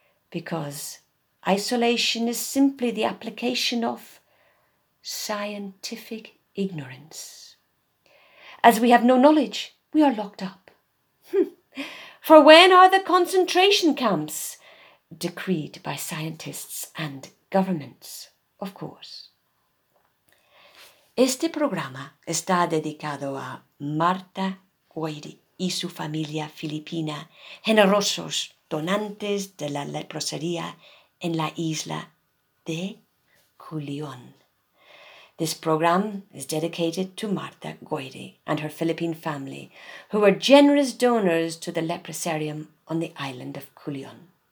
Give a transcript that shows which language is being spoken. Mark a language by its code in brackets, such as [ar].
[en] Because isolation is simply the application of scientific ignorance. As we have no knowledge, we are locked up. For when are the concentration camps decreed by scientists and governments, of course. [es] Este programa está dedicado a Marta Guairi y su familia filipina, generosos donantes de la leprosería en la isla de Culión. [en] This program is dedicated to Marta Guairi and her Philippine family, who were generous donors to the leprosarium on the island of Culión.